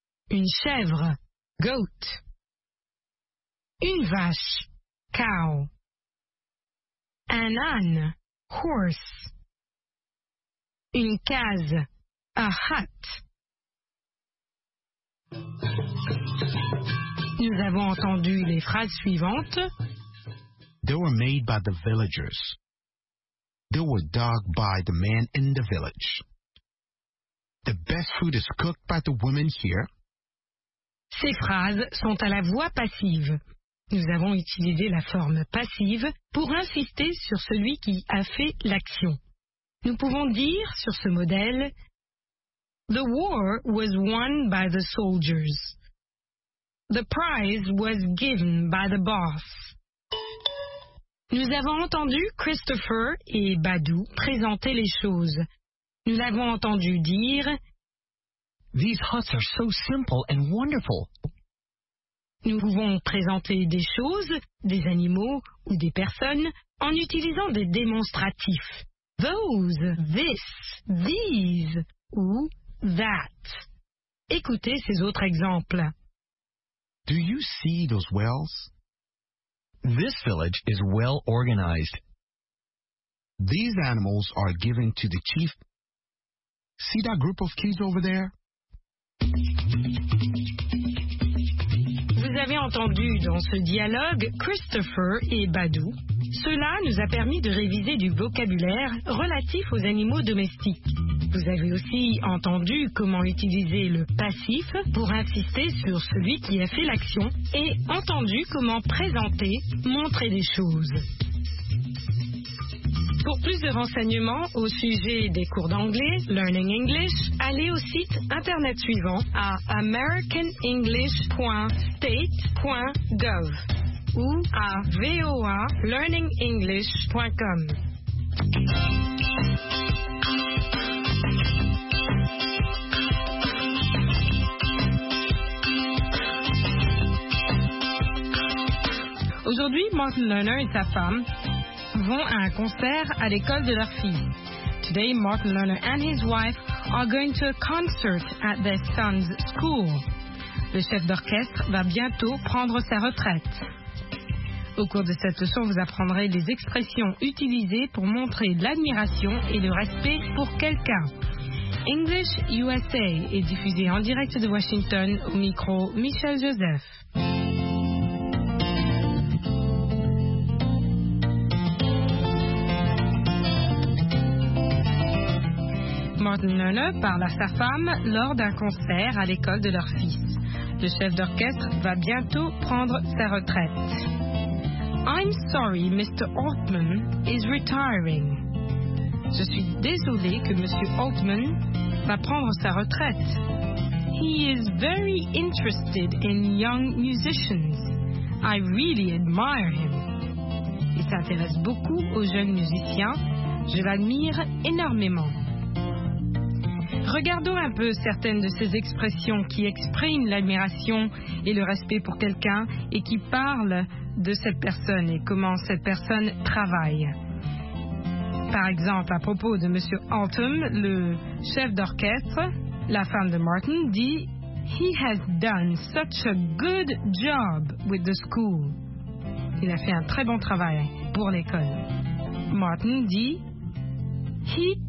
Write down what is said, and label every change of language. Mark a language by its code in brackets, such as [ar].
[fr] Une chèvre, goat. Une vache, cow. Un âne, horse. Une case, [en] a hut. [fr] Nous avons entendu les phrases suivantes. [en] They were made by the villagers. They were dug by the man in the village. The best food is cooked by the women here. [fr] Ces phrases sont à la voix passive. Nous avons utilisé la forme passive pour insister sur celui qui a fait l'action. Nous pouvons dire sur ce modèle, [en] The war was won by the soldiers. The prize was given by the boss. [fr] Nous avons entendu Christopher et Badou présenter les choses. Nous l'avons entendu dire, [en] These huts are so simple and wonderful. [fr] Nous pouvons présenter des choses, des animaux ou des personnes en utilisant des démonstratifs. [en] Those, this, these, ou that. [fr] Écoutez ces autres exemples. [en] Do you see those wells? This village is well organized. These animals are given to the chief. See that group of kids over there? [fr] Vous avez entendu dans ce dialogue Christopher et Badou. Cela nous a permis de réviser du vocabulaire relatif aux animaux domestiques. Vous avez aussi entendu comment utiliser le passif pour insister sur celui qui a fait l'action et entendu comment présenter, montrer des choses. Pour plus de renseignements au sujet des cours d'anglais, Learning English, allez au site internet suivant à americanenglish.state.gov. ou à voalearningenglish.com. Aujourd'hui, Martin Lerner et sa femme vont à un concert à l'école de leur fille. [en] Today, Martin Lerner and his wife are going to a concert at their son's school. [fr] Le chef d'orchestre va bientôt prendre sa retraite. Au cours de cette leçon, vous apprendrez les expressions utilisées pour montrer l'admiration et le respect pour quelqu'un. English USA est diffusé en direct de Washington au micro Michel Joseph. Martin Lerner parle à sa femme lors d'un concert à l'école de leur fils. Le chef d'orchestre va bientôt prendre sa retraite. [en] I'm sorry, Mr. Altman is retiring. [fr] Je suis désolé que Monsieur Altman va prendre sa retraite. [en] He is very interested in young musicians. I really admire him. [fr] Il s'intéresse beaucoup aux jeunes musiciens. Je l'admire énormément. Regardons un peu certaines de ces expressions qui expriment l'admiration et le respect pour quelqu'un et qui parlent de cette personne et comment cette personne travaille. Par exemple, à propos de Monsieur Altman, le chef d'orchestre, la femme de Martin dit « [en] He has done such a good job with the school. [fr] » Il a fait un très bon travail pour l'école. Martin dit [en] « He takes young people who aren't very interested